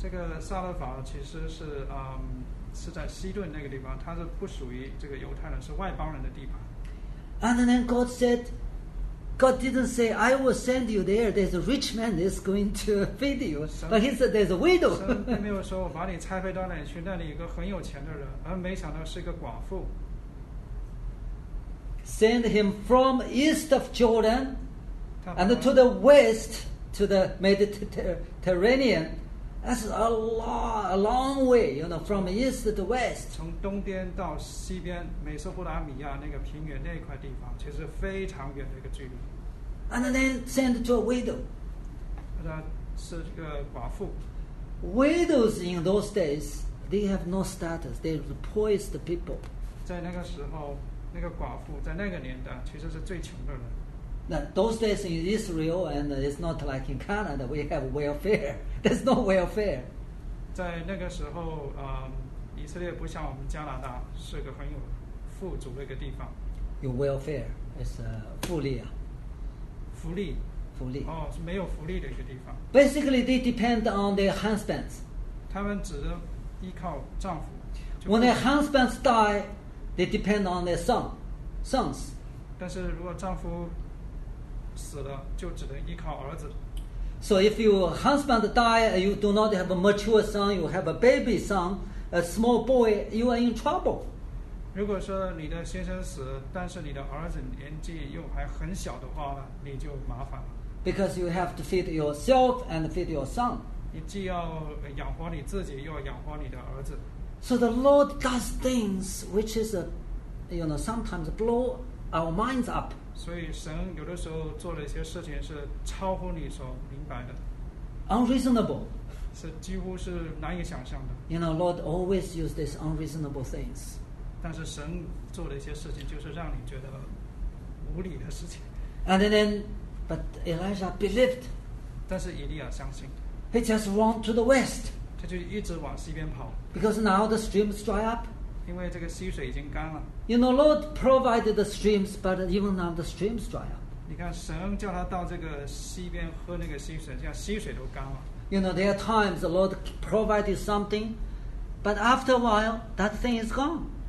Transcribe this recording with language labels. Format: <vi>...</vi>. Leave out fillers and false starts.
<zh>这个撒勒法其实是是在西顿那个地方，它是不属于这个犹太人，是外邦人的地盘。</zh> <en>And then God said, God didn't say, "I will send you there. There's a rich man that's going to feed you." But He said, "There's a widow."</en> <zh>神没有说我把你差派到哪里去，那里有个很有钱的人，而没想到是一个寡妇。</zh> <en>sent him from east of Jordan and to the west to the Mediterranean. That's a long way, you know, from east to west.</en> <zh>从东边到西边，美索不达米亚那个平原那一块地方，其实非常远的一个距离。</zh> <en>And then sent to a widow.</en> <zh>他是一个寡妇。</zh> <en>Widows in those days, they have no status. They are the poorest people.</en> <zh>在那个时候，那个寡妇在那个年代其实是最穷的人。</zh> <en>Now, those days in Israel, and it's not like in Canada, we have welfare. There's no welfare.</en> <zh>在那个时候，以色列不像我们加拿大是个很有富足的一个地方。</zh> <en>Your welfare is</en> <zh>福利啊。福利。福利。哦，是没有福利的一个地方。</zh> <en>Basically, they depend on their husbands.</en> <zh>他们只依靠丈夫。</zh> <en>When their husbands die, they depend on their sons.</en> <zh>但是如果丈夫死了就只能依靠儿子。</zh> <en>So if your husband die, you do not have a mature son, you have a baby son, a small boy, you are in trouble.</en> <zh>如果说你的先生死，但是你的儿子年纪又还很小的话，你就麻烦了。</zh> <en>Because you have to feed yourself and feed your son.</en> <zh>你既要养活你自己，又要养活你的儿子。</zh> <en>So the Lord does things which is, you know, sometimes blow our minds up.</en> <zh>所以神有的时候做了一些事情是超乎你所明白的</zh> <en>unreasonable</en> <zh>是几乎是难以想象的</zh> <en>you know Lord always used these unreasonable things</en> <zh>但是神做了一些事情就是让你觉得无理的事情</zh> <en>and then but Elijah believed</en> <zh>但是以利亚相信</zh> <en>he just ran to the west</en> <zh>他就一直往西边跑</zh> <en>because now the streams dry up</en> <zh>因为这个溪水已经干了。</zh> <en>You know, Lord provided the streams, but even now the streams dry up.</en> <zh>你看，神叫他到这个溪边喝那个溪水，这样溪水都干了。</zh> <en>You know, there are times the Lord provided something, but after a while, that thing is gone.</en>